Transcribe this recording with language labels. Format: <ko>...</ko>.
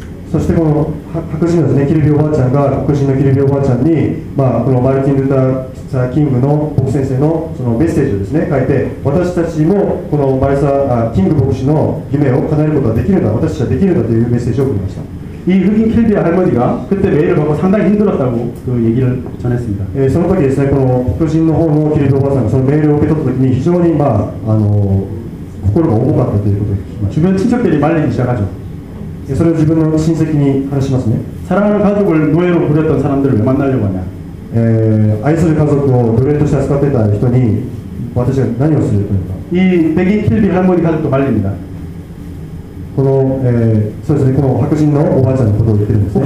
<ja>そしてこの白人のですねキルビおばあちゃんが黒人のキルビおばあちゃんに、まあ、このマルティン・ルーサー・キングの牧師先生 の, そのメッセージをですね書いて私たちもこのマルサー・キング牧師の夢を叶えることができるんだ私たちはできるんだというメッセージを送りました</ja> <ko>이흑인킬비할머니가그때메일을받고상당히힘들었다고그얘기를전했습니다</ko> <ja>예その時ですねこの黒人の方のキルビおばあさんがそのメールを受け取った時に非常にまあ心が重かったということで</ja> <ko>주변친척들이말리기시작하죠</ko> <ja>それを自分の親戚に話しますね</ja> <ko>사랑하는가족을노예로부렸던사람들을만나려고하냐</ko> <ja>愛する家族を奴隷として扱ってた人に私が何をするというか</ja> <ko>이백인킬비할머니가족도말립니다</ko> <ja>この、そうですね、この白人のおばあちゃんのことを言ってるんです、ね、</ja>